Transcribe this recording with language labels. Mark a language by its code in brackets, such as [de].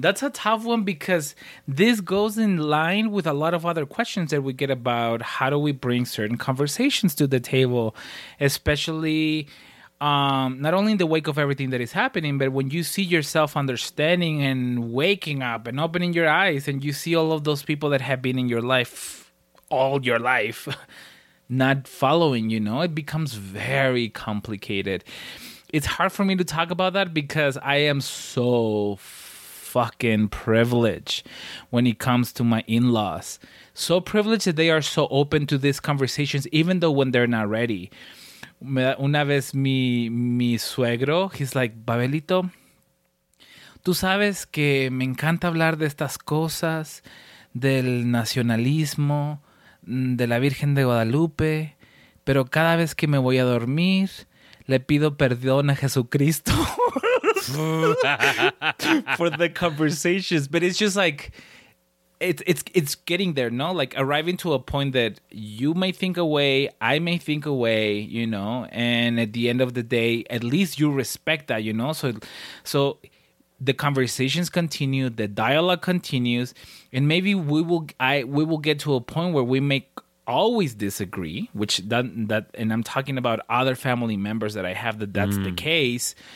[en] That's a tough one because this goes in line with a lot of other questions that we get about how do we bring certain conversations to the table, especially not only in the wake of everything that is happening, but when you see yourself understanding and waking up and opening your eyes and you see all of those people that have been in your life all your life, not following, you know, it becomes very complicated. It's hard for me to talk about that because I am so fucking privileged when it comes to my in-laws. So privileged that they are so open to these conversations, even though when they're not ready. [es] Una vez mi suegro, [en] he's like, [es] Babelito, tú sabes que me encanta hablar de estas cosas, del nacionalismo, de la Virgen de Guadalupe, pero cada vez que me voy a dormir, le pido perdón a Jesucristo. [en] For the conversations. But it's just like, it's getting there, no? Like, arriving to a point that you may think away, I may think away, you know? And at the end of the day, at least you respect that, you know? So the conversations continue, the dialogue continues, and maybe we will get to a point where we make always disagree, which that and I'm talking about other family members that I have that's the case.